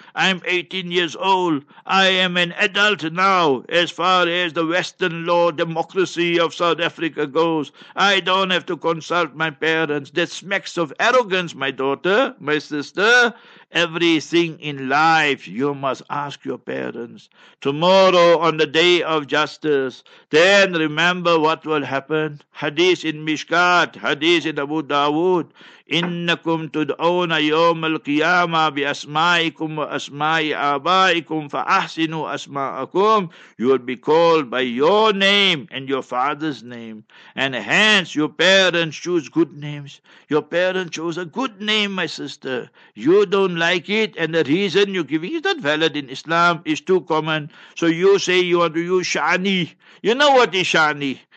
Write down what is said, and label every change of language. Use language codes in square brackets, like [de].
[en] I'm 18 years old. I am an adult now, as far as the Western law democracy of South Africa goes. I don't have to consult my parents. That smacks of arrogance, my daughter, my sister. Everything in life, you must ask your parents. Tomorrow, on the day of justice, then remember what will happen. Hadith in Mishkat, hadith in Abu Dawood, [ar] إِنَّكُمْ تُدْعَوْنَ يَوْمَ الْقِيَامَةِ بِأَسْمَائِكُمْ وَأَسْمَائِ آبَائِكُمْ فَأَحْسِنُوا أَسْمَاءَكُمْ. [en] You will be called by your name and your father's name. And hence, your parents choose good names. Your parents chose a good name, my sister. You don't like it, and the reason you're giving is not valid in Islam, is too common. So you say you want to use Shani. You know what is Shani?